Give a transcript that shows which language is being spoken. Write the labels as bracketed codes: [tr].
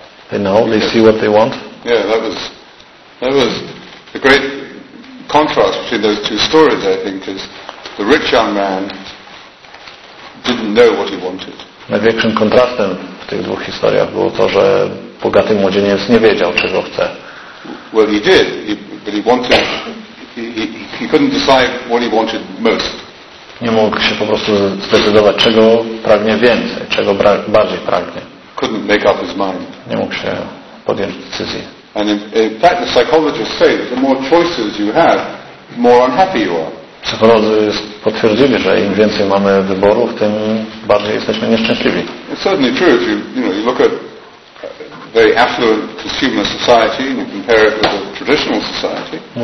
[en] They know, they see what they want. Yeah, that was a great contrast between those two stories, I think, because the rich young man didn't know what he wanted. [pl] Największym kontrastem w tych dwóch historiach było to, że bogaty młodzieniec nie wiedział, czego chce. [en] Well, he did, but he wanted. He couldn't decide what he wanted most. [pl] Nie mógł się po prostu zdecydować, czego pragnie więcej, czego bardziej pragnie. [en] Couldn't make up his mind. [pl] Nie mógł się podjąć decyzji. [en] And in fact, the psychologists say that the more choices you have, the more unhappy you are. [pl] Psycholodzy potwierdzili, że im więcej mamy wyborów, tym bardziej jesteśmy nieszczęśliwi. [en] It's certainly true if you look at very affluent consumer society and you compare it with a traditional society.